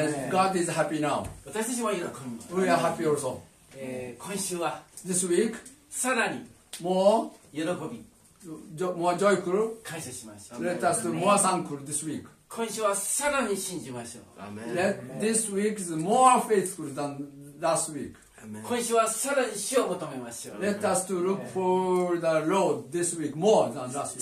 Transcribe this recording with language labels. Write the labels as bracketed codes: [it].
[en] God is happy now. [ja] 私たちも喜びます。 [en] We are happy also. [ja] 今週は、 [en] This week, [ja] さらに、 [en] More, [ja] 喜び、 [en] More joyful, [ja] 感謝しましょう。 [en] Let us do more thankful this week. [ja] 今週はさらに信じましょう。 [en] This week is more faithful than last week. [ja] 今週はさらに主を求めましょう。 [en] Let us to look for the Lord this week more than last week.